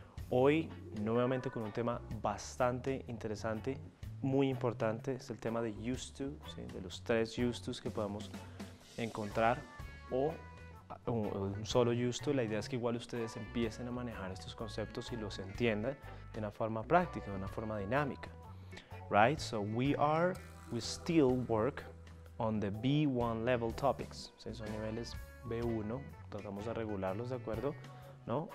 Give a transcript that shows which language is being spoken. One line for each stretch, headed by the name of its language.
Spanish: Hoy, nuevamente con un tema bastante interesante, muy importante, es el tema de used to, ¿sí? De los tres used to que podemos encontrar, o un solo used to. La idea es que igual ustedes empiecen a manejar estos conceptos y los entiendan de una forma práctica, de una forma dinámica.
English: Right? So we still work on the B1 level topics.
Spanish: ¿Sí? Son niveles B1, tratamos de regularlos de acuerdo, ¿no?